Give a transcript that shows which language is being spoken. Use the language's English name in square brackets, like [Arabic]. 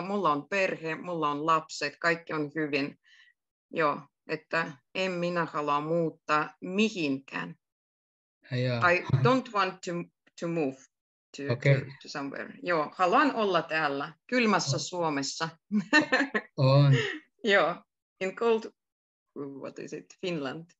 [Finnish] Mulla on perhe, mulla on lapset, kaikki on hyvin. Joo, että en minä halua muuttaa mihinkään. Ja. [English] I don't want to move to, okay. to somewhere. [Finnish] Joo, haluan olla täällä kylmässä Suomessa. On. [English] Joo, in cold, what is it, Finland.